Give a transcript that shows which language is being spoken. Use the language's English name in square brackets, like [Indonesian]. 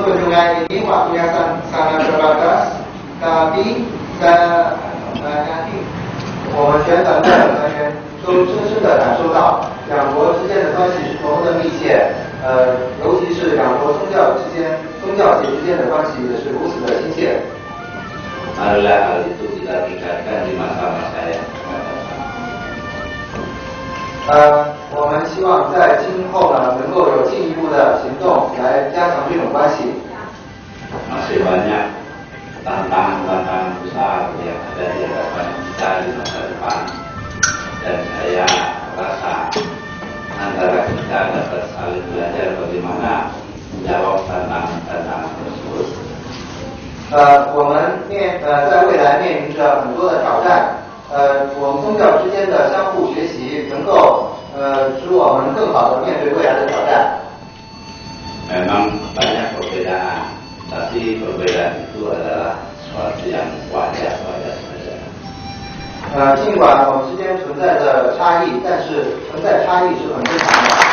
[Indonesian] kunjungan ini waktunya sangat terbatas, tapi [Chinese] 我们全团的团员都深深地感受到两国之间的关系是多么的密切，尤其是两国宗教之间、宗教界之间的关系也是如此的亲切。 [Indonesian] Marilah hal itu kita tingkatkan di masa-masa yang akan datang. [Chinese] 我们希望在今后呢，能够有进一步的行动来加强这种关系。 [Indonesian] Masih banyak tantangan-tantangan besar yang ada di hadapan kita di masa depan, dan saya rasa antara kita dapat saling belajar bagaimana menjawab tantangan-tantangan tersebut. [Chinese] 我们在未来面临着很多的挑战，我们宗教之间的相互学习能够使我们更好的面对未来的挑战。 [Indonesian] Memang banyak perbedaan, tapi perbedaan itu adalah sesuatu yang wajar-wajar saja. [Chinese] 尽管我们之间存在的差异，但是存在差异是很正常的。